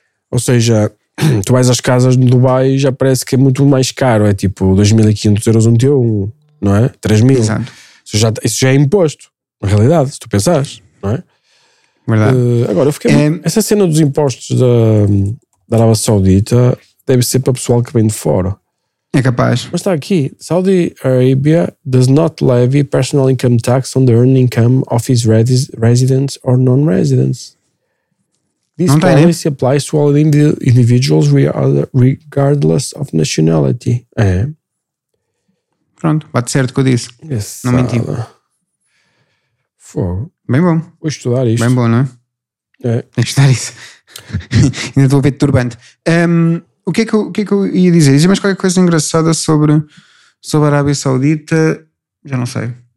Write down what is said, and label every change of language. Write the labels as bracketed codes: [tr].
[pt] Ou seja, tu vais às casas no Dubai e já parece que é muito mais caro, é tipo 2.500 euros um T1, não é? 3.000. Exato. Isso já é imposto, na realidade, se tu pensares, não é? Verdade. Agora, eu fiquei... Essa cena dos impostos da Arábia Saudita deve ser para o pessoal que vem de fora. É capaz. Mas está aqui. [en] Saudi Arabia does not levy personal income tax on the earned income of its residents or non-residents. This policy applies to all individuals regardless of nationality. [pt] É. Pronto, bate certo com isso. [en] Yes, [pt] não menti. Fogo. Bem bom. Vou estudar isto. Bem bom, não é? É. Vou estudar isso. Ainda estou a ver de turbante. O que é que eu ia dizer? Dizia mais qualquer coisa engraçada sobre a Arábia Saudita, já não sei.